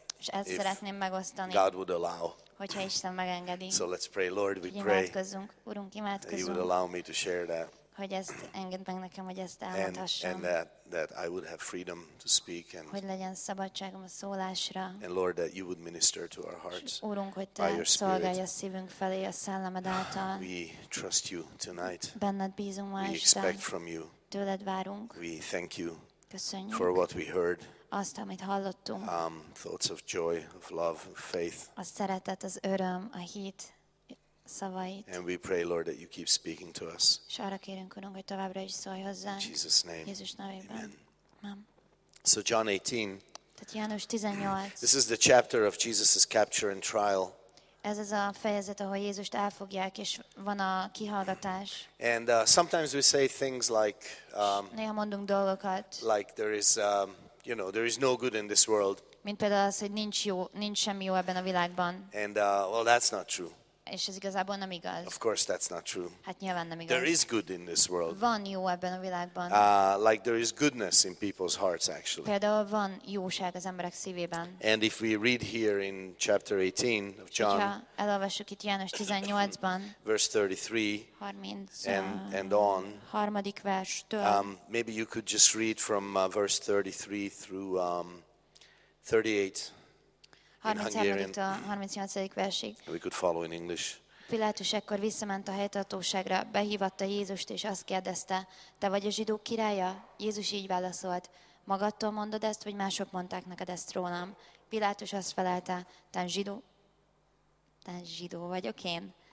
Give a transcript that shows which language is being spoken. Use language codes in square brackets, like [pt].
[hu] És ezt szeretném megosztani. [en] God would allow. [hu] Hogyha Isten megengedi. [en] So let's pray, Lord, we pray. [hu] Imádkozzunk, Urunk, imádkozzunk. [en] He would allow me to share that. [hu] Hogy ezt engedd meg nekem, hogy ezt elmondhassam. [en] And that I would have freedom to speak and [hu] hogy legyen szabadságom a szólásra. [en] And Lord, that you would minister to our hearts. [hu] Úrunk, hogy te szolgálj a szívünk felé a szellemed által. [en] We trust you tonight. [hu] Benned bízunk ma este. [en] We expect from you. [hu] Tőled várunk. [en] We thank you. [hu] Köszönjük. [en] For what we heard. [hu] Azt, amit hallottunk. [en] Thoughts of joy, of love, of faith. [hu] A szeretet, az öröm, a hit. Szavait. [en] And we pray, Lord, that you keep speaking to us. [hu] Kérünk, Urunk, hogy továbbra is szólj hozzánk. [en] In Jesus' name. [hu] Jézus nevében. [en] Amen. So John 18. [hu] Tehát János 18. [en] This is the chapter of Jesus' capture and trial. [hu] Ez az a fejezet, ahol Jézust elfogják, és van a kihallgatás. [en] And sometimes we say things like, [hu] néha mondunk dolgokat. [en] Like there is, you know, there is no good in this world. [hu] Mint például az, hogy nincs jó, nincs semmi jó ebben a világban. [en] And well, that's not true. [hu] És ez igazából nem igaz. [en] Of course that's not true. [hu] Hát nyilván nem igaz. [en] There is good in this world. [hu] Van jó ebben a világban. [en] Like there is goodness in people's hearts actually. [hu] Például van jóság az emberek szívében. [en] And if we read here in chapter 18 of John. [hu] Elolvassuk itt János 18-ban. [en] Verse 33. And on. [hu] Harmadik verstől. [en] Maybe you could just read from verse 33 through 38. [hu] 33-től 38-ig versig. [en] We could follow in English. [hu] Pilátus ekkor visszament a helytartóságra, behívatta Jézust, és azt kérdezte, te vagy a zsidók királya? Jézus így válaszolt, magadtól mondod ezt, vagy mások mondták neked ezt rólam? Pilátus azt felelte, te zsidó vagyok én?